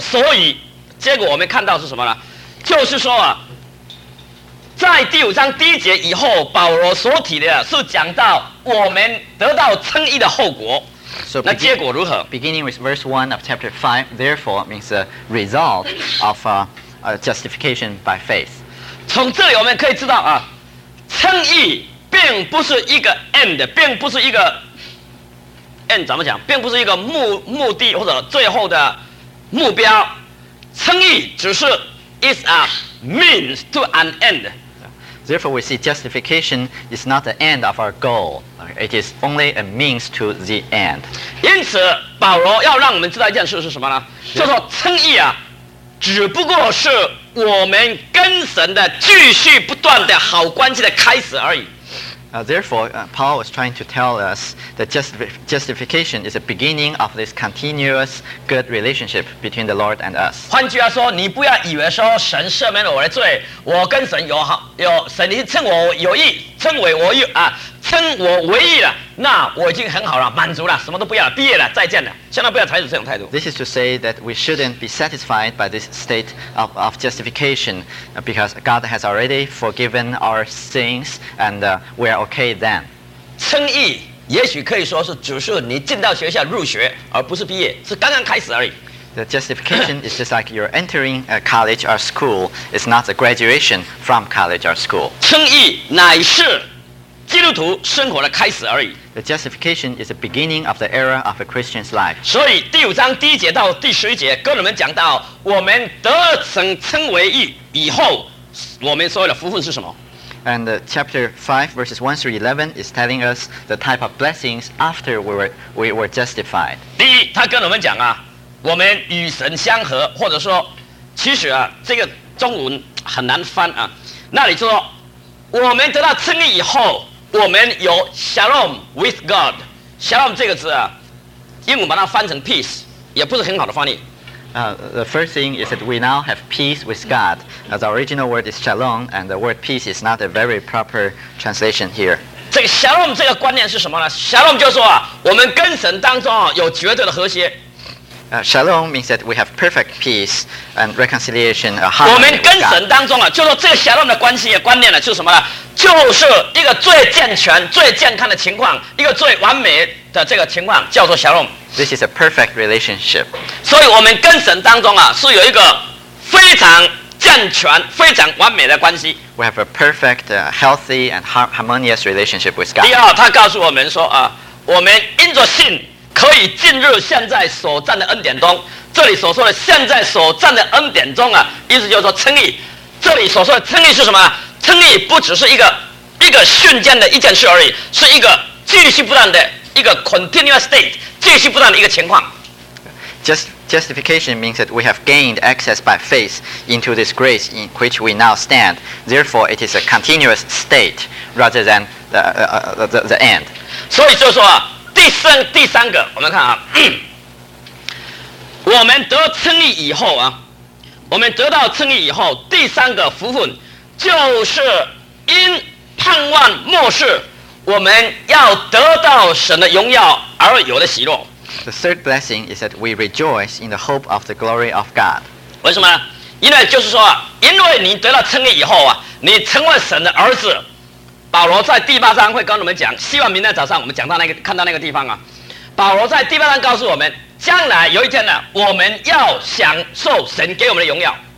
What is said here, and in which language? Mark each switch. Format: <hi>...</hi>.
<zh>所以结果我们看到是什么呢？就是说啊，在第五章第一节以后，保罗所提的是讲到我们得到称义的后果。</zh> <en>So、</en> <zh>那结果如何</zh> <en>？Beginning with verse 1 of chapter 5, therefore means the result of justification by faith.</en> <zh>从这里我们可以知道啊，称义。并不是一个 end， 并不是一个 end 怎么讲？并不是一个 目的或者最后的目标。称义只是</zh> <en>is a means to an end。 Therefore, we see justification is not the end of our goal. It is only a means to the end.</en> <zh>因此，保罗要让我们知道一件事是什么呢？就说称义啊，只不过是我们跟神的继续不断的好关系的开始而已。</zh> <en>Therefore, Paul was trying to tell us that justification is the beginning of this continuous good relationship between the Lord and us.</en> <zh>换句话说，你不要以为说神赦免了我的罪，我跟神有好有神，你称我有义，称为我有啊，称我为义了，那我已经很好了，满足了，什么都不要了，毕业了，再见了，千万不要采取这种态度。</zh> <en>This is to say that we shouldn't be satisfied by this state of justification because God has already forgiven our sins and we are okay then.</en> <zh>称义也许可以说是只是你进到学校入学，而不是毕业，是刚刚开始而已。</zh> <en>The justification is just like you're entering a college or school. It's not a graduation from college or school.</en> <zh>称义乃是基督徒生活的开始而已。</zh> <en>The justification is the beginning of the era of a Christian's life.</en> <zh>所以第五章第一节到第十一节跟我们讲到我们得成称为义以后我们所有的福分是什么。</zh> <en>And chapter 5 verses 1 through 11 is telling us the type of blessings after we were justified.</en> <zh>第一他跟我们讲啊我们与神相合，或者说，其实啊，这个中文很难翻啊。那里说，我们得到称义以后，我们有</zh> <en>shalom with God。</en> <zh>shalom 这个字啊，英文把它翻成 peace， 也不是很好的翻译。</zh> <en>The first thing is that we now have peace with God. The original word is shalom, and the word peace is not a very proper translation here.</en> <zh>这个 shalom 这个观念是什么呢 ？shalom 就是说啊，我们跟神当中啊有绝对的和谐。</zh> <en>Shalom means that we have perfect peace and reconciliation.</en> <zh>我们跟神当中啊，就说这个 shalom 的关系的观念呢，就是什么呢？就是一个最健全、最健康的情况，一个最完美的这个情况，叫做 shalom.</zh> <en>This is a perfect relationship.</en> <zh>所以我们跟神当中啊，是有一个非常健全、非常完美的关系。</zh> <en>We have a perfect, healthy and harmonious relationship with God.</en> <zh>第二，他告诉我们说啊，我们因着信。可以进入现在所站的恩典中，这里所说的现在所站的恩典中啊，意思就是说称义。这里所说的称义是什么？称义不只是一个瞬间的一件事而已，是一个继续不断的一个</zh> <en>continuous state，</en> <zh>继续不断的一个情况。</zh> <en>Justification means that we have gained access by faith into this grace in which we now stand. Therefore, it is a continuous state rather than the end.</en> <zh>所以就说啊。第三个，我们看啊，我们得称义以后啊，我们得到称义以后，第三个福分就是因盼望末世，我们要得到神的荣耀而有的喜乐。</zh> <en>The third blessing is that we rejoice in the hope of the glory of God.</en> <zh>为什么？因为就是说，因为你得到称义以后啊，你成为神的儿子。保罗在第八章会跟我们讲，希望明天早上我们讲到那个看到那个地方啊。保罗在第八章告诉我们，将来有一天呢，我们要享受神给我们的荣耀。</zh>